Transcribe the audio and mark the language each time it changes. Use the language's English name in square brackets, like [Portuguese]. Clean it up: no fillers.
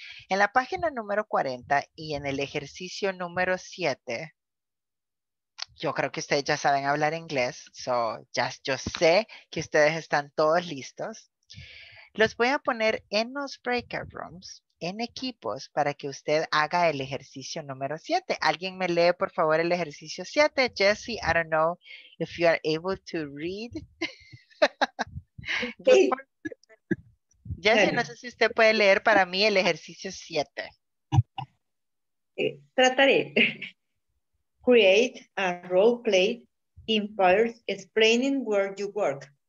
[Spanish] En la página número 40 y en el ejercicio número 7, yo creo que ustedes ya saben hablar inglés. So yo sé que ustedes están todos listos. Los voy a poner en los breakout rooms, en equipos, para que usted haga el ejercicio número 7. ¿Alguien me lee, por favor, el ejercicio 7? [English] Jesse, I don't know if you are able to read. Okay. [Spanish] Jesse, bueno. No sé si usted puede leer para mí el ejercicio 7. Trataré. [English] Create a role play in parts explaining where you work.